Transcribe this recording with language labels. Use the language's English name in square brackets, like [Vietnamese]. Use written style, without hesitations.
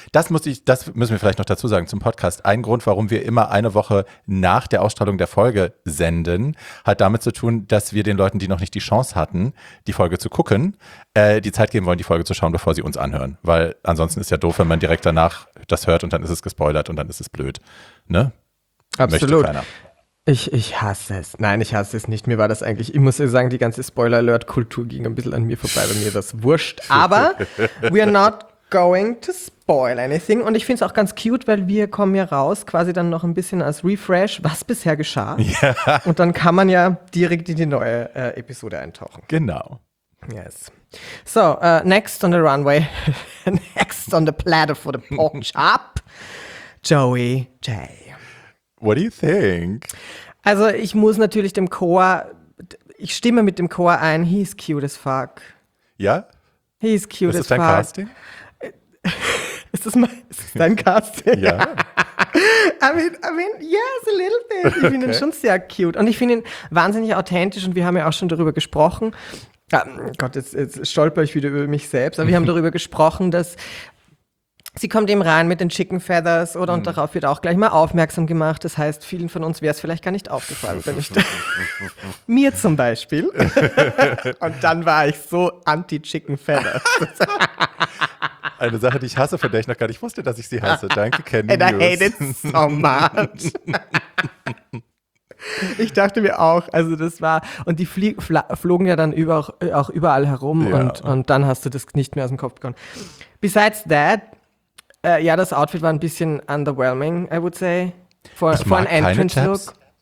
[German] Das müssen wir vielleicht noch dazu sagen zum Podcast. Ein Grund, warum wir immer eine Woche nach der Ausstrahlung der Folge senden, hat damit zu tun, dass wir den Leuten, die noch nicht die Chance hatten, die Folge zu gucken, die Zeit geben wollen, die Folge zu schauen, bevor sie uns anhören. Weil ansonsten ist ja doof, wenn man direkt danach das hört und dann ist es gespoilert und dann ist es blöd. Ne? Absolut. Ich hasse es. Nein, ich hasse es nicht. Mir war das eigentlich, ich muss sagen, die ganze Spoiler-Alert-Kultur ging ein bisschen an mir vorbei, bei mir das wurscht. [English] Aber we are not going to spoil anything. [German] Und ich finde es auch ganz cute, weil wir kommen ja raus, quasi dann noch ein bisschen als Refresh, was bisher geschah. Ja. Und dann kann man ja direkt in die neue Episode eintauchen. Genau. [English] Yes. So, next on the runway, next on the platter for the pork chop, Joey J. What do you think? [German] Also ich muss natürlich dem Chor, ich stimme mit dem Chor ein, [English] he's cute as fuck. [German] Ja? [English] He's cute as fuck. [German] Ist das dein Casting? ist das dein Casting? Ja. [English] I mean, yes, a little bit. [German] Ich finde ihn schon sehr cute. Und ich finde ihn wahnsinnig authentisch und wir haben ja auch schon darüber gesprochen. Gott, jetzt stolper ich wieder über mich selbst. Aber wir haben darüber gesprochen, dass... Sie kommt eben rein mit den Chicken Feathers oder und darauf wird auch gleich mal aufmerksam gemacht. Das heißt, vielen von uns wäre es vielleicht gar nicht aufgefallen, wenn ich da, mir zum Beispiel. Und dann war ich so anti-Chicken Feathers. Eine Sache, die ich hasse, von der ich noch gar nicht wusste, dass ich sie hasse. Danke, Candy [English] News. And I hate it so much. [German] Ich dachte mir auch, also das war, und die flogen ja dann auch überall herum und dann hast du das nicht mehr aus dem Kopf bekommen. [English] Besides that, [German] ja, das Outfit war ein bisschen underwhelming, [English] I would say, for an Entrance-Look.